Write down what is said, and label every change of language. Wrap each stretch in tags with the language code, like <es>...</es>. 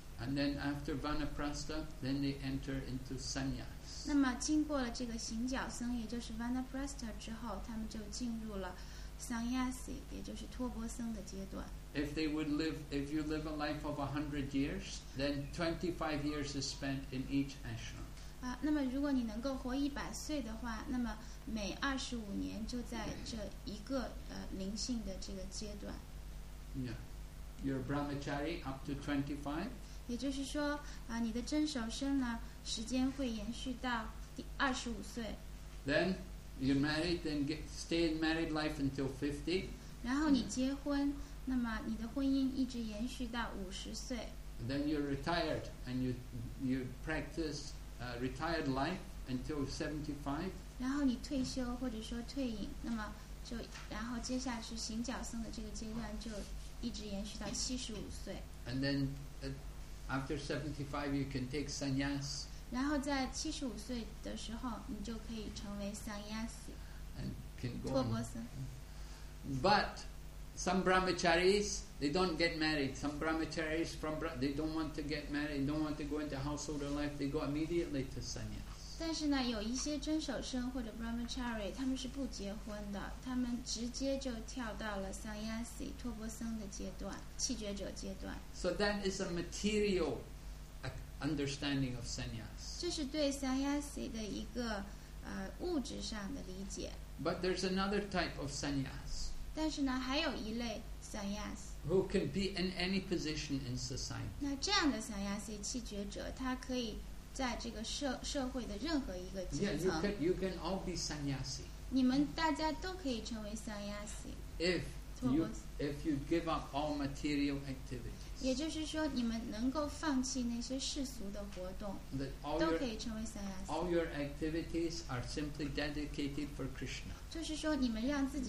<en>And then after vanaprastha, then they enter into sannyas.</en> <zh>那么经过了这个行脚僧，也就是 vanaprastha 之后，他们就进入了 sannyasi, 也就是托钵僧的阶段。</zh> <en>If you live a life of 100 years, then 25 years is spent in each ashram.</en> <zh>那么如果你能够活100岁的话，那么每25年就在这一个灵性的这个阶段。</zh> <en>Yeah, you're brahmachari up to 25.</en> <zh>也就是说，你的真守生呢，时间会延续到25岁。</zh> <en>Then You're married, then get, stay in married life until 50.</en> <zh>然后你结婚, yeah. 那么你的婚姻一直延续到50岁。</zh> <en>Then you're retired, and you practice retired life until 75.</en> <zh>然后你退休或者说退隐, 那么就, 然后接下去行脚僧的这个阶段就一直延续到75岁。</zh> <en>And then after 75, you can take sannyas.</en> <zh>然后在75岁的时候, 你就可以成为sannyasi.</zh> <en>And can go on. But some brahmacharis, they don't get married. Some brahmacharis, from they don't want to get married, they don't want to go into householder life, they go immediately to sannyas.</en> <zh>但是呢, 有一些遵守生或者 brahmachari, 他们是不结婚的, 他们直接就跳到了sannyasi, 托钵僧的阶段, 弃绝者阶段。</zh> <en>So that is a material understanding of sannyas.</en> <zh>这是对sannyasi的一个, 物质上的理解。</zh> <en>But there's another type of sannyas.</en> <zh>但是呢, 还有一类sannyas,</zh> <en>who can be in any position in society.</en> <zh>那这样的sannyasi, 弃绝者, 他可以在这个社会的任何一个阶层。</zh> <en>Yeah, you can all be sannyasi.</en> <zh>你们大家都可以成为sannyasi.</zh> <en>If you give up all material activities.</en> <zh>也就是说你们能够放弃那些世俗的活动,</zh> <en>all your activities are simply dedicated for Krishna.</en>